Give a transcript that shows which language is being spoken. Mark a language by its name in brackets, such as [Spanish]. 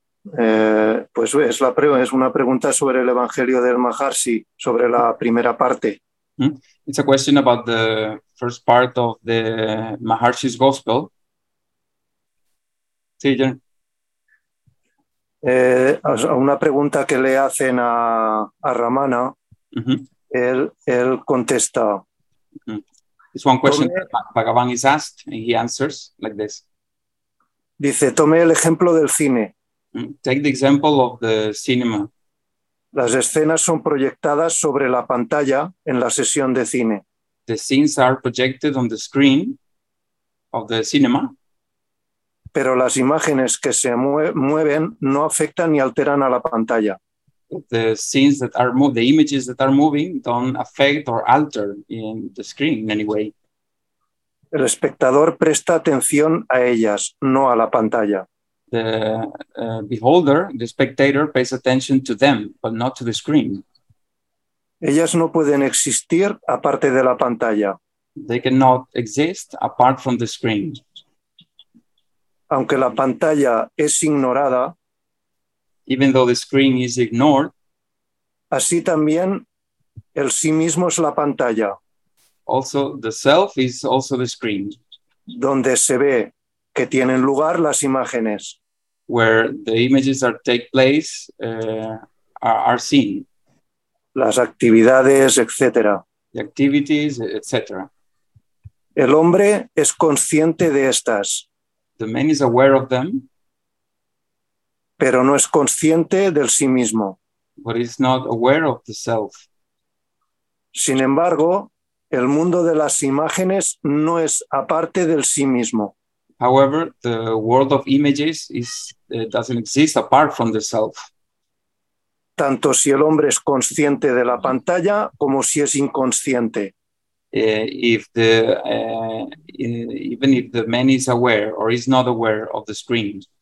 [Spanish] Pues es una pregunta sobre el Evangelio del Maharshi, sobre la primera parte. [English] It's a question about the first part of the Maharshi's Gospel. [Spanish] Sí, John. Una pregunta que le hacen a Ramana, él contesta. [English] It's one question that Bhagavan is asked and he answers like this. [Spanish] Dice, tome el ejemplo del cine. [English] Take the example of the cinema. [Spanish] Las escenas son proyectadas sobre la pantalla en la sesión de cine. [English] The scenes are projected on the screen of the cinema. [Spanish] Pero las imágenes que se mueven no afectan ni alteran a la pantalla. [English] The scenes that are moving, the images that are moving, don't affect or alter in the screen in any way. [Spanish] El espectador presta atención a ellas, no a la pantalla. [English] The beholder, the spectator, pays attention to them, but not to the screen. [Spanish] Ellas no pueden existir aparte de la pantalla. [English] They cannot exist apart from the screen. [Spanish] Aunque la pantalla es ignorada, [English] even though the screen is ignored, [Spanish] así también el sí mismo es la pantalla. [English] Also, the self is also the screen. [Spanish] Donde se ve que tienen lugar las imágenes. [English] Where the images that take place are seen. [Spanish] Las actividades, etc. [English] The activities, etc. [Spanish] El hombre es consciente de estas. [English] The man is aware of them. [Spanish] Pero no es consciente del sí mismo. [English] But he's not aware of the self. [Spanish] Sin embargo, el mundo de las imágenes no es aparte del sí mismo. [English] However, the world of images doesn't exist apart from the self. [Spanish] Tanto si el hombre es consciente de la pantalla como si es inconsciente. [English] Even if the man is aware or is not aware of the screen.